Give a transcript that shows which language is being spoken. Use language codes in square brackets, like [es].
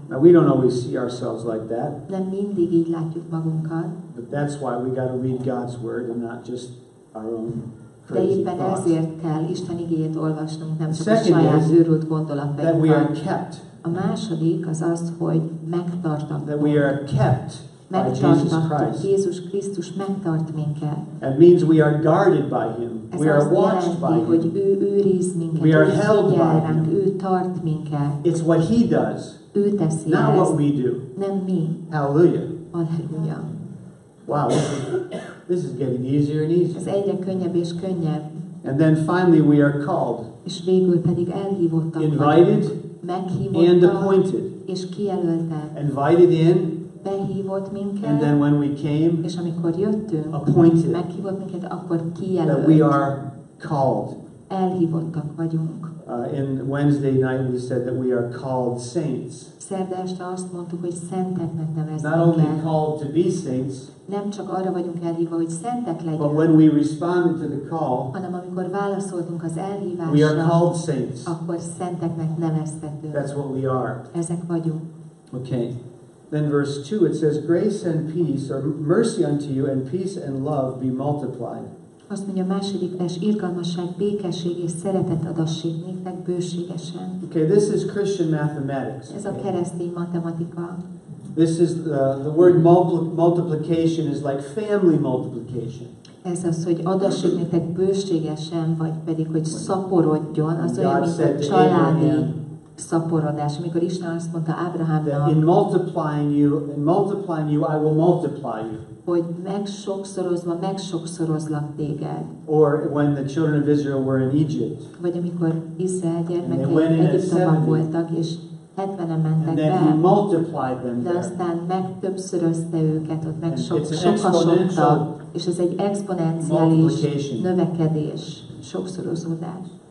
[en] Now we don't always see ourselves like that. [hu] Nem mindig így látjuk magunkat. [en] But that's why we got to read God's word and not just our own. [hu] De éppen ezért kell Isten igéjét olvasnunk, nem csak a saját őrült gondolatainkat. A második az az, hogy megtartottunk. Megtartottunk. Jézus Krisztus megtart minket. [en] That means we are guarded by Him. [hu] Ez [en] we are watched [hu] jelenti, [en] by Him. [hu] Hogy ő őriz minket. [en] We are held by Him. [hu] Ő tart minket. [en] It's what He does. [hu] Ő teszi [en] not [hu] ezt. [en] What we do. [hu] Nem mi. [en] Hallelujah. [hu] Hallelujah. [en] Wow. This is getting easier and easier. [hu] Ez egyre könnyebb és könnyebb. [en] And then finally we are called. [hu] És végül pedig elhívottak. [en] Invited. [hu] Meghívottak. [en] And appointed. [hu] És kijelöltek. [en] Invited in. [hu] behívott minket. [en] And then when we came, [hu] és amikor jöttünk, [en] appointed, [hu] meghívott minket, akkor kijelölt. [en] That we are called. [hu] Elhívottak vagyunk. [en] In Wednesday night we said that we are called saints. [hu] Szerda este azt mondtuk, hogy szenteknek nevezzük. [en] Not only called to be saints, [hu] nem csak arra vagyunk elhívva, hogy szentek legyünk. [en] But when we responded to the call, [hu] hanem amikor válaszoltunk az elhívásra, [en] we are called saints. [hu] Akkor szenteknek neveztetünk. [en] That's what we are. [hu] Ezek vagyunk. [en] Okay. Then verse 2, it says, grace and peace, or mercy unto you, and peace and love be multiplied. [hu] Azt mondja, második vers, irgalmasság, békesség és szeretet adassék néktek bőségesen. [en] Okay, this is Christian mathematics. [hu] Ez a keresztény matematika. [en] This is the word multiplication is like family multiplication. [hu] Ez az, hogy adassék néktek bőségesen, vagy pedig, hogy szaporodjon, az olyan, mint a családi szaporodás, amikor Isten azt mondta Ábrahámnak, [en] in multiplying you, I will multiply you. [hu] Hogy megsokszorozva, megsokszorozlak téged. [en] Or when the children of Israel were in Egypt. [hu] Vagy amikor Izrael gyermekei Egyiptomban voltak, és 70-en mentek be. [en] And then he multiplied them there. [hu] De aztán megtöbbszörözte őket, ott megsokasodta, és ez egy exponenciális növekedés, sokszorozódás.